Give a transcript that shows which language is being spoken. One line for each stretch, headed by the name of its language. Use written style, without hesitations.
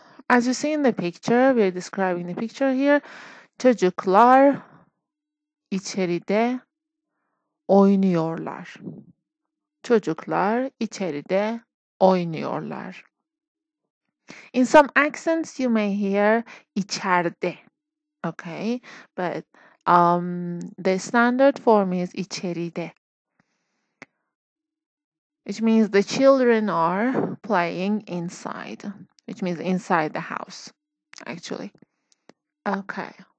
English: As you see in the picture, we are describing the picture here.
Turkish: Çocuklar içeride oynuyorlar. Çocuklar içeride oynuyorlar.
English: In some accents, you may hear içeride. Okay, but the standard form is içeride, which means the children are playing inside, which means inside the house, actually. Okay.